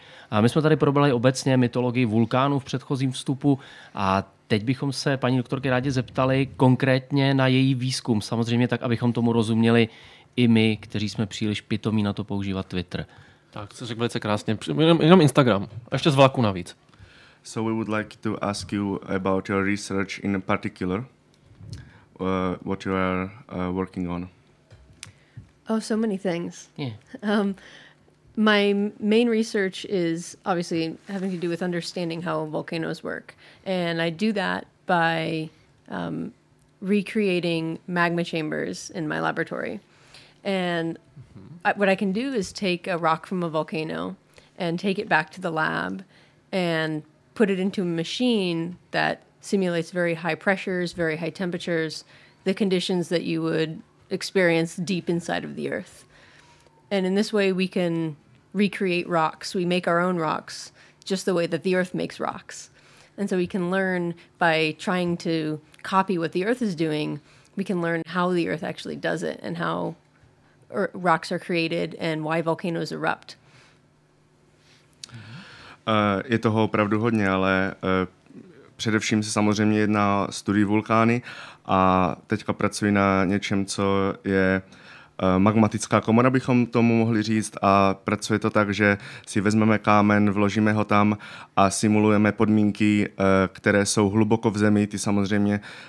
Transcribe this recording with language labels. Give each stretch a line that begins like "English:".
Czech: A my jsme tady probrali obecně mytologii vulkánů v předchozím vstupu a teď bychom se paní doktorky rádi zeptali konkrétně na její výzkum. Samozřejmě tak, abychom tomu rozuměli i my, kteří jsme příliš pitomí na to používat Twitter. Tak, to řekl velice krásně. Jenom Instagram, ještě z vlaku navíc.
English: So we would like to ask you about your research in particular. What you are working on? Oh, so many things. Yeah. My main research is obviously having to do with understanding how volcanoes work. And I do that by recreating magma chambers in my laboratory. And what I can do is take a rock from a volcano and take it back to the lab and put it into a machine that simulates very high pressures, very high temperatures, the conditions that you would experience deep inside of the earth. And in this way, we can recreate rocks. We make our own rocks just the way that the earth makes rocks. And so we can learn by trying to copy what the earth is doing. We can learn how the earth actually does it and how rocks are created and why volcanoes erupt.
Czech: Je toho opravdu hodně, ale především se samozřejmě jedná o studii vulkány a teďka pracuji na něčem, co je magmatická komora, bychom tomu mohli říct, a pracuje to tak, že si vezmeme kámen, vložíme ho tam a simulujeme podmínky, které jsou hluboko v zemi, ty samozřejmě